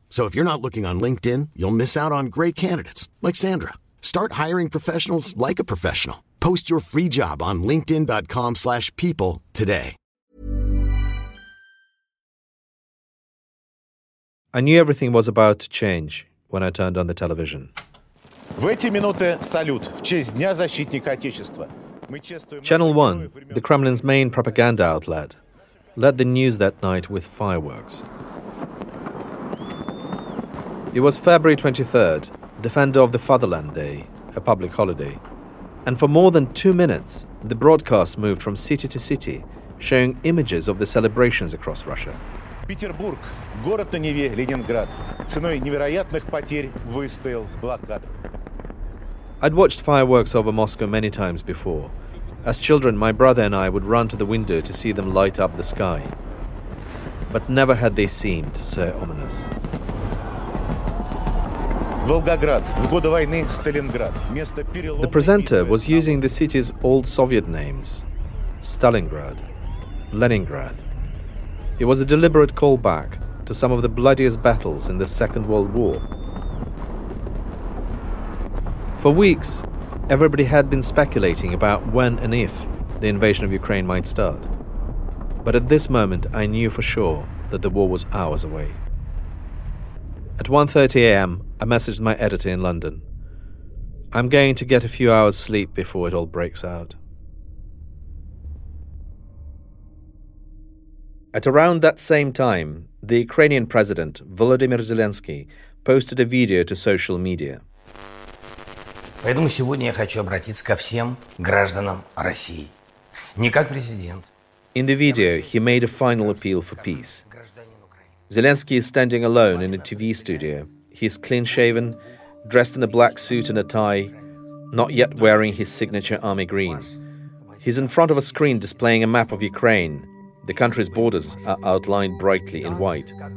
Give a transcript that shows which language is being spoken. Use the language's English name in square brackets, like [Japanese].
[English] So if you're not looking on LinkedIn, you'll miss out on great candidates, like Sandra. Start hiring professionals like a professional. Post your free job on linkedin.com/people today. I knew everything was about to change when I turned on the television. [Russian] В эти минуты салют в честь Дня защитника Отечества. [English] Channel 1, the Kremlin's main propaganda outlet, led the news that night with fireworks. It was February 23rd, Defender of the Fatherland Day, a public holiday. And for more than 2 minutes, the broadcast moved from city to city, showing images of the celebrations across Russia. [Russian] Петербург, город на Неве, Ленинград. Ценой невероятных потерь выстоял в блокаду. [English] I'd watched fireworks over Moscow many times before. As children, my brother and I would run to the window to see them light up the sky. But never had they seemed so ominous. [Russian] Волгоград, в годы войны Сталинград. Место перелома. [English] The presenter was using the city's old Soviet names. Stalingrad, Leningrad. It was a deliberate callback to some of the bloodiest battles in the Second World War. For weeks, everybody had been speculating about when and if the invasion of Ukraine might start. But at this moment, I knew for sure that the war was hours away. At 1:30 a.m, I messaged my editor in London. I'm going to get a few hours sleep before it all breaks out. At around that same time, the Ukrainian president, Volodymyr Zelensky, posted a video to social media. [Russian] Поэтому сегодня я хочу обратиться ко всем гражданам России. Не как президент. [English] In the video, he made a final appeal for peace. Zelensky is standing alone in a TV studio. He is clean-shaven, dressed in a black suit and a tie, not yet wearing his signature army green. He's in front of a screen displaying a map of Ukraine. The country's borders are outlined brightly in white.